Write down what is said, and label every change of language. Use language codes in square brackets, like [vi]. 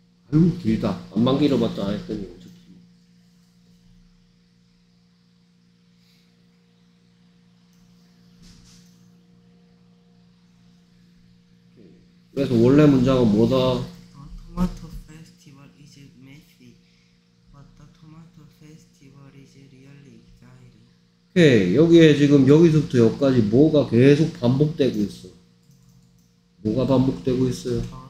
[ko] 너무 길다. 안만 길어봤자 안 했더니 엄청 길어. 그래서 원래 문장은 뭐다? [en] The tomato festival is messy, but the tomato festival is really exciting. 오케이. [ko] 여기에 지금 여기서부터 여기까지 뭐가 계속 반복되고 있어? 뭐가 반복되고 있어요?